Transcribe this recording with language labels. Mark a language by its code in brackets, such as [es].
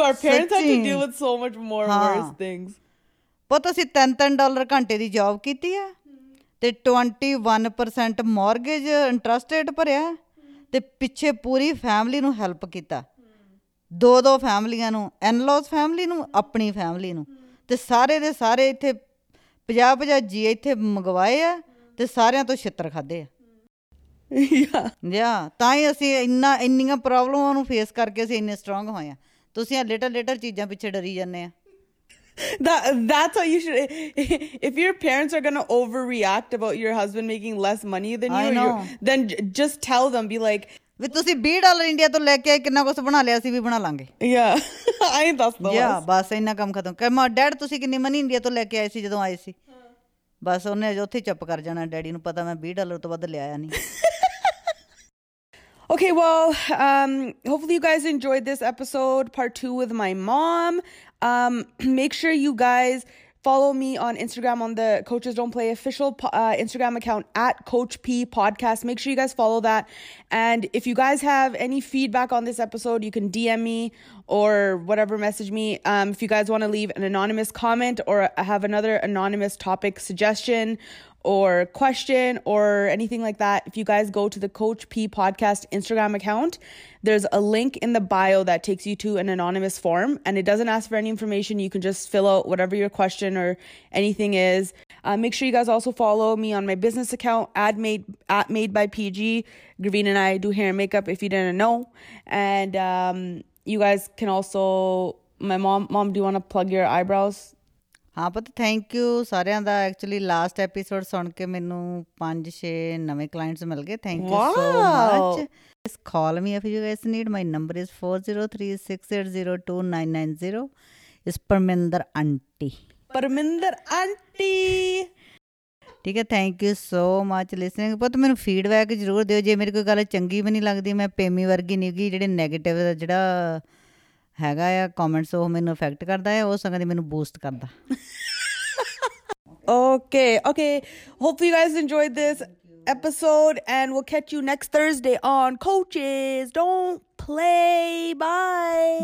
[en] Our parents had to deal with so much more worse things. [pa] ਪਤਾ ਸੀ $10 ਘੰਟੇ ਦੀ job ਕੀਤੀ ਆ ਤੇ 21% ਮੌਰਗੇਜ ਇੰਟਰਸਟ ਰੇਟ ਭਰਿਆ ਤੇ ਪਿੱਛੇ ਪੂਰੀ ਫੈਮਿਲੀ ਨੂੰ ਹੈਲਪ ਕੀਤਾ, ਦੋ ਦੋ ਫੈਮਿਲੀਆਂ ਨੂੰ, ਐਨਲੋਸ ਫੈਮਿਲੀ ਨੂੰ, ਆਪਣੀ ਫੈਮਿਲੀ ਨੂੰ, ਤੇ ਸਾਰੇ ਦੇ ਸਾਰੇ ਇੱਥੇ 50-50 ਜੀ ਇੱਥੇ ਮੰਗਵਾਏ ਆ ਤੇ ਸਾਰਿਆਂ ਤੋਂ ਛਿੱਤਰ ਖਾਧੇ ਆ ਜਾਂ ਤਾਂ ਹੀ ਅਸੀਂ ਇੰਨਾ ਇੰਨੀਆਂ ਪ੍ਰੋਬਲਮਾਂ ਨੂੰ ਫੇਸ ਕਰਕੇ ਅਸੀਂ ਇੰਨੇ ਸਟਰੋਂਗ ਹੋਏ ਹਾਂ। ਤੁਸੀਂ ਆ ਲਿਟਲ ਲਿਟਲ ਚੀਜ਼ਾਂ ਪਿੱਛੇ ਡਰੀ ਜਾਂਦੇ ਹਾਂ। [en] That's what you should, if your parents are going to overreact about your husband making less money than you, then just tell them, be like, [pa] ਵੀ ਤੁਸੀਂ $20 ਇੰਡੀਆ ਤੋਂ ਲੈ ਕੇ ਕਿੰਨਾ ਕੁਛ ਬਣਾ ਲਿਆ, ਅਸੀਂ ਵੀ ਬਣਾ ਲਾਂਗੇ ਜਾਂ ਬਸ ਇੰਨਾ ਕੰਮ ਖਤਮ ਕਰ। ਡੈਡ ਤੁਸੀਂ ਕਿੰਨੀ ਮਨੀ ਇੰਡੀਆ ਤੋਂ ਲੈ ਕੇ ਆਏ ਸੀ ਜਦੋਂ ਆਏ ਸੀ? ਬਸ ਉਹਨੇ ਉੱਥੇ ਚੁੱਪ ਕਰ ਜਾਣਾ, ਡੈਡੀ ਨੂੰ ਪਤਾ ਮੈਂ $20 ਤੋਂ ਵੱਧ ਲਿਆ ਨਹੀਂ। [en] Okay, well, hopefully you guys enjoyed this episode, part 2 with my mom. Make sure you guys follow me on Instagram on the Coaches Don't Play official Instagram account at Coach P Podcast. Make sure you guys follow that. And if you guys have any feedback on this episode, you can DM me or whatever, message me. If you guys want to leave an anonymous comment or have another anonymous topic suggestion or question or anything like that, if you guys go to the Coach P Podcast Instagram account, there's a link in the bio that takes you to an anonymous form, and it doesn't ask for any information. You can just fill out whatever your question or anything is. Make sure you guys also follow me on my business account, @MadeByPG. Gravine and I do hair and makeup, if you didn't know. And you guys can also, my mom, do you want to plug your eyebrows? [pa] ਹਾਂ ਪੁੱਤ, [en] thank you [pa] ਸਾਰਿਆਂ ਦਾ। Actually last episode ਸੁਣ ਕੇ ਮੈਨੂੰ 5-6 ਨਵੇਂ clients ਮਿਲ ਗਏ। [en] Thank you so much. Just call me if you guys need. My number is 403-680-2990। Is Parminder auntie. Parminder auntie, [pa] ਠੀਕ ਹੈ। [en] Thank you so much listening. [pa] ਪੁੱਤ ਮੈਨੂੰ ਫੀਡਬੈਕ ਜ਼ਰੂਰ ਦਿਓ ਜੇ ਮੇਰੀ ਕੋਈ ਗੱਲ ਚੰਗੀ ਵੀ ਨਹੀਂ ਲੱਗਦੀ। ਮੈਂ ਪੇਮੀ ਵਰਗੀ ਨਹੀਂ ਗੀ, ਜਿਹੜੇ ਨੈਗੇਟਿਵ ਜਿਹੜਾ ਹੈਗਾ ਆ ਕਮੈਂਟਸ ਉਹ ਮੈਨੂੰ ਅਫੈਕਟ ਕਰਦਾ ਹੈ, ਉਹ ਸੰਗਤ ਮੈਨੂੰ ਬੂਸਟ ਕਰਦਾ। [en] Okay, okay. Hope you guys enjoyed this episode, and we'll catch you next Thursday on Coaches Don't Play. Bye.